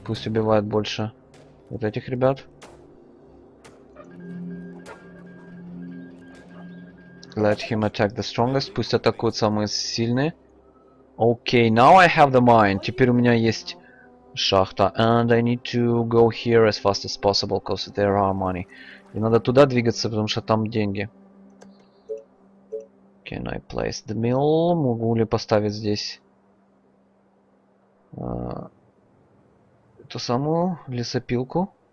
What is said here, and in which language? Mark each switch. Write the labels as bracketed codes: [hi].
[ru] Пусть убивает больше вот этих ребят. [en] Let him attack the strongest. [ru] Пусть атакуют самые сильные. [en] Okay, now I have the mine. [ru] Теперь у меня есть шахта. [en] And I need to go here as fast as possible, because there are money. [ru] И надо туда двигаться, потому что там деньги. [en] Can I place the mill? [ru] Могу ли поставить здесь ту самую лесопилку?